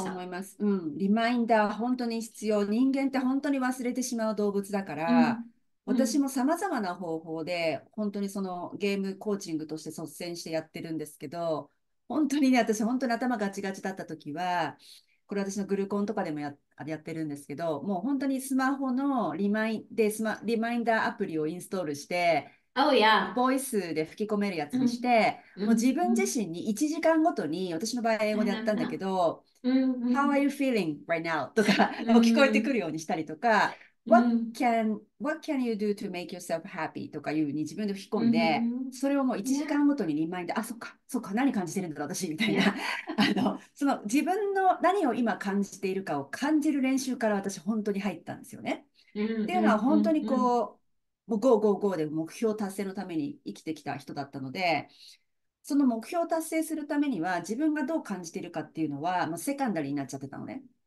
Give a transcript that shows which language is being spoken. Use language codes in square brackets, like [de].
[ja] そう思います、うん、リマインダー本当に必要。人間って本当に忘れてしまう動物だから、うん、私もさまざまな方法で本当にそのゲームコーチングとして率先してやってるんですけど、本当にね、私本当に頭ガチガチだった時はこれ私のグルコンとかでもやってるんですけど、もう本当にスマホのリマインダーアプリをインストールして、 [en] Oh, yeah. [ja] ボイスで吹き込めるやつにして、mm-hmm. もう自分自身に1時間ごとに、mm-hmm. 私の場合英語でやったんだけど、 mm-hmm. [en] How are you feeling right now? [ja] とか聞こえてくるようにしたりとか、 [en] mm-hmm. What can you do to make yourself happy? [ja] とかいうふうに自分で吹き込んで、mm-hmm. それをもう1時間ごとにリマインド、yeah. あ、そっか何感じてるんだろう私みたいな、yeah. その自分の何を今感じているかを感じる練習から私本当に入ったんですよね、 mm-hmm. っていうのは本当にこう、mm-hmm. もう5、5、5で目標達成のために生きてきた人だったので、その目標達成するためには自分がどう感じているかっていうのはもうセカンダリーになっちゃってたのね。